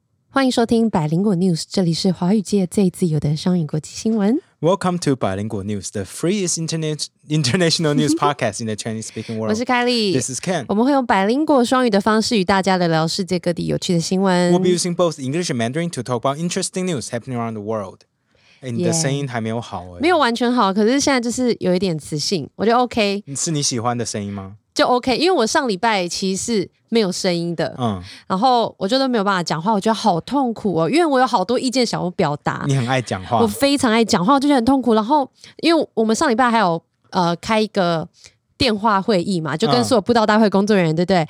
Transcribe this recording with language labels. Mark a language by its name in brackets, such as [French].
[Chinese] 欢迎收听百灵果 News， 这里是华语界最自由的商业国际新闻。 [English] Welcome to 百灵果 News， the freest international news podcast in the Chinese speaking world。 [Chinese] 我是凯莉 [English] ，This is Ken。 [Chinese] 我们会用百灵果双语的方式与大家聊聊世界各地有趣的新闻。 [English] We'll be using both English and Mandarin to talk about interesting news happening around the world。 [Chinese] 你的声音还没有好、欸，没有完全好，可是现在就是有一点磁性，我觉得 OK。是你喜欢的声音吗？就 OK， 因为我上礼拜其实是没有声音的，嗯，然后我就都没有办法讲话，我觉得好痛苦哦，因为我有好多意见想要表达。你很爱讲话，我非常爱讲话，我就觉得很痛苦。然后因为我们上礼拜还有开一个电话会议嘛，就跟所有布道大会工作人员，对不对？